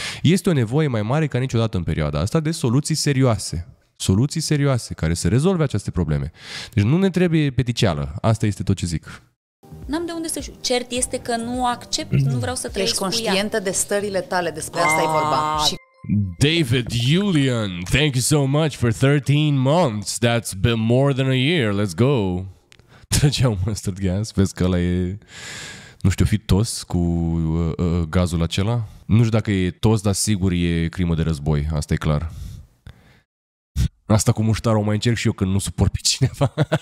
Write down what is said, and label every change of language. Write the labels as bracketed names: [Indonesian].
[Romanian] Este o nevoie mai mare ca niciodată în perioada asta de soluții serioase. Soluții serioase care să rezolve aceste probleme. Deci nu ne trebuie peticeală. Asta este tot ce zic. N-am de unde să știu. Cert este că nu accept, nu vreau să trăiesc. Ești conștientă de stările tale, despre asta e vorba. Și... [English] David Julian, thank you so much for 13 months. That's been more than a year. Let's go. [Romanian] Trăgeau [English] mustard gas. [Romanian] Vezi că ăla e, nu știu, fi tos cu gazul acela. Nu știu dacă e tos, dar sigur e crimă de război. Asta e clar. Asta cu muștarul o mai încerc și eu când nu suport pe cineva.